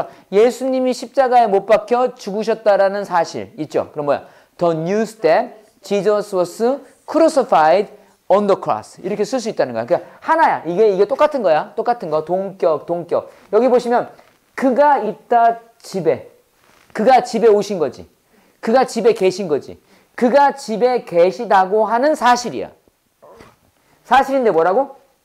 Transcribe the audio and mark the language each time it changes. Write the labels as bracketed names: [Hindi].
[Korean] 예수님이 십자가에 못 박혀 죽으셨다라는 사실 있죠. 그럼 뭐야? [English] The news that Jesus was crucified on the cross. [Korean] 이렇게 쓸 수 있다는 거야. 그러니까 하나야. 이게 똑같은 거야. 똑같은 거. 동격. 여기 보시면 그가 있다 집에. 그가 집에 오신 거지. 그가 집에 계신 거지. 그가 집에 계시다고 하는 사실이야. 사실인데 뭐라고?